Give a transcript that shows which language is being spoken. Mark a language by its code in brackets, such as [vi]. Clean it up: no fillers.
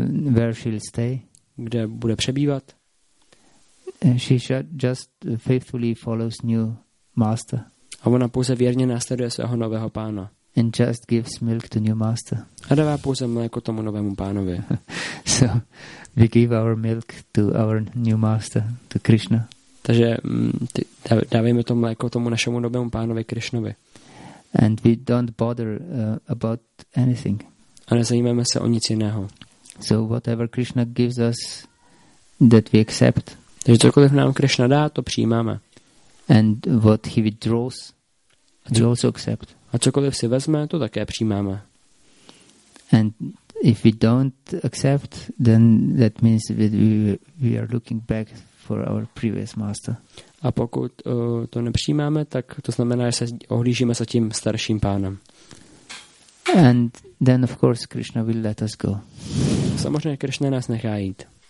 [en] Where she'll stay? [cs] Kde bude přebývat? [en] She just faithfully follows new master. [cs] A ona pouze věrně následuje svého nového pána. [en] And just gives milk to new master. [cs] A dává pouze mléko tomu novému pánovi. [en] So we give our milk to our new master, to Krishna. [cs] Takže dávejme to mléko tomu našemu novému pánovi Krishnovi. [en] And we don't bother about anything. [cs] A nezajímáme se o nic jiného. [en] So whatever Krishna gives us, that we accept. [cs] Takže cokoliv nám Krishna dá, to přijímáme. [en] And what he withdraws, we also accept. [cs] A cokoliv si vezme, to také přijímáme. [en] And if we don't accept, then that means that we are looking back for our previous master. [cs] A pokud to nepřijímáme, tak to znamená, že se ohlížíme za tím starším pánem. [en] And then of course Krishna will let us go. [cs] Samozřejmě Krishna nás nechá jít.